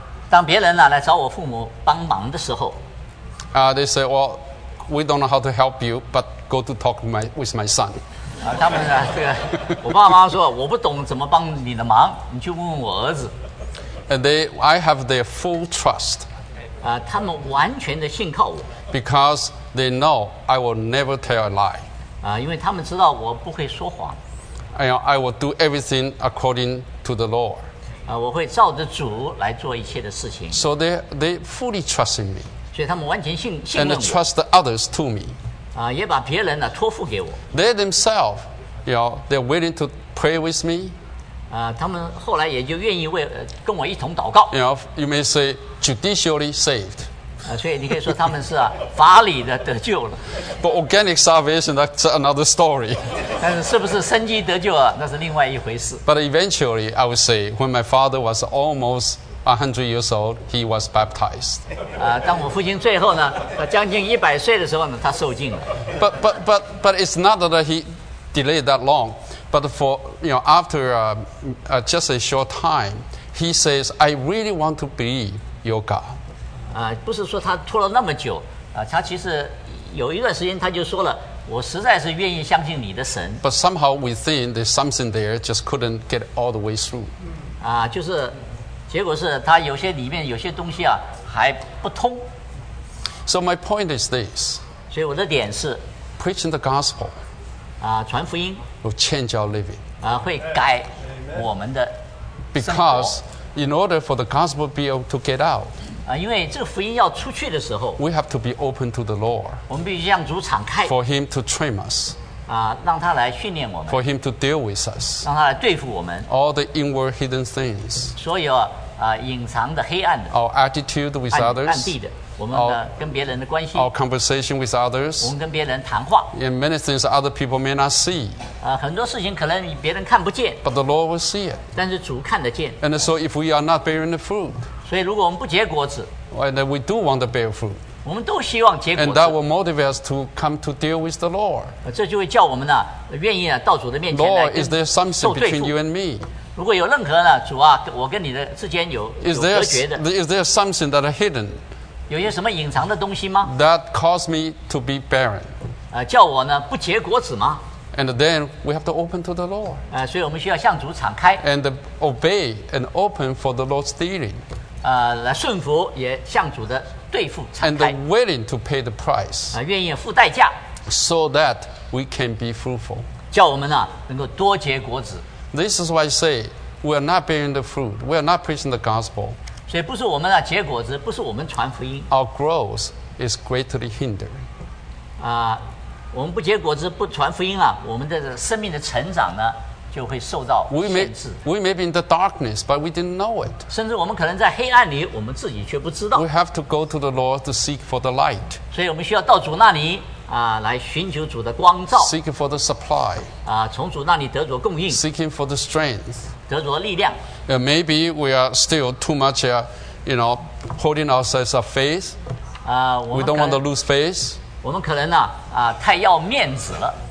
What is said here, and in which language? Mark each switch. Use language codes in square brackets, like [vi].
[zh] 当别人、啊、来找我父母帮忙的时候、 [en] They say, well, we don't know how to help you, but go to talk with my son. [zh] 他们、啊、这个我爸妈说我不懂怎么帮你的忙，你去问问我儿子。 [en] And I have their full trust. [zh] 他们完全的信靠我。 [en] Because they know I will never tell a lie. [zh] 因为他们知道我不会说谎。 [en] I will do everything according to the law. [zh] 我会照着主来做一切的事情。 [en] So they fully trust in me. [zh] 所以他们完全信任我。 [en] And they trust the others to me. [zh] 也把别人呢、啊、托付给我。 [en] They themselves, you know, they're willing to pray with me? [zh] 他们后来也就愿意为跟我一同祷告。 [en] You know, you may say judicially saved. [zh] 所以你可以说他们是法理的得救了。 [en] But organic salvation, that's another story. [zh] 但是是不是生机得救啊？那是另外一回事。 [en] But eventually, I would say, when my father was almost 100 years old, he was baptized. [zh] 当我父亲最后呢，将近100岁的时候呢，他受浸了。 [en] But it's not that he delayed that long. But for, you know, after just a short time, he says, I really want to believe your God. [zh] 不是说他拖了那么久，他其实有一段时间他就说了，我实在是愿意相信你的神。 [en] But somehow within, there's something there, just couldn't get all the way through. [zh] 就是，结果是他有些里面有些东西啊，还不通。 [en] So my point is this. [zh] 所以我的点是。 [en] Preaching the gospel. [zh] 传福音。 [en] Will change our living. [zh] 会改我们的生活。 [en] Because in order for the gospel be able to get out, [zh] 因为这个福音要出去的时候， [en] we have to be open to the Lord. [zh] 我们必须让主敞开。 [en] For him to train us. [zh] 让他来训练我们。 [en] For him to deal with us. [zh] 让他来对付我们。 [en] All the inward hidden things. [zh] 所有隐藏的黑暗的。 [en] Our attitude with others. [zh] 暗地的。我们的跟别人的关系 [en] our conversation with others, [zh] 我们跟别人谈话 [en] and many things other people may not see, [zh] 很多事情可能别人看不见 [en] but the Lord will see it, [zh] 但是主看得见 [en] and so if we are not bearing the fruit, [zh] 所以如果我们不结果子 [en] and we do want to bear fruit, [zh] 我们都希望结果子 [en] and that will motivate us to come to deal with the Lord, [zh] 这就会叫我们呢愿意到主的面前来 [en] Lord, is there something between you and me? [zh] 如果有任何呢主啊我跟你的之间 有隔绝的 [en] is there something that is hidden? [zh] 有些什么隐藏的东西吗 [en] ？That caused me to be barren. [zh] 叫我呢不结果子吗 [en] ？And then we have to open to the Lord. [zh] 所以我们需要向主敞开。 [en] And obey and open for the Lord's dealing. [zh] 来顺服也向主的对付敞 [en] 开。And willing to pay the price. [zh] 愿意付代价。 [en] So that we can be fruitful. [zh] 叫我们呢能够多结果子。 [en] This is why I say we are not bearing the fruit. We are not preaching the gospel. [zh] 所以不是我们结果子不是我们传福音 [en] Our growth is greatly hindered [zh] 我们不结果子不传福音我们的生命的成长呢就会受到限制 [en] we may be in the darkness but we didn't know it [zh] 甚至我们可能在黑暗里我们自己却不知道 [en] We have to go to the Lord to seek for the light [zh] 所以我们需要到主那里来寻求主的光照 [en] Seek for the supply [zh] 从主那里得着供应 [en] Seeking for the strength [zh] 得着力量 [en] Maybe we are still too much you know, holding ourselves a faith we don't want to lose faith [zh] 我们可能呢太要面子了